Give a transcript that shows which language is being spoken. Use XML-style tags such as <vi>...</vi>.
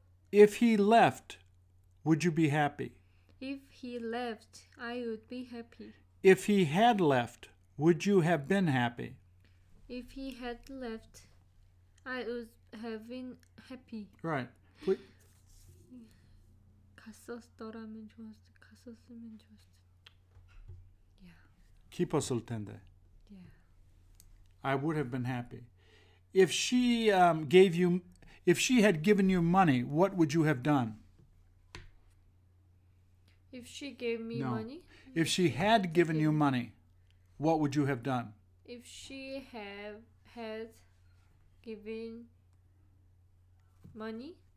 <en>If he left, would you be happy? If he left, I would be happy. If he had left, would you have been happy? If he had left, I would have been happy. Right.</en> <ko>갔었더라면 좋았을 갔었으면 좋았을 텐데. Yeah. 기뻤을 텐데.</ko> <en>Yeah. I would have been happy. If she gave you, if she had given you money, what would you have done? If she gave me money? If she had given you money, what would you have done? If she had given money?</en>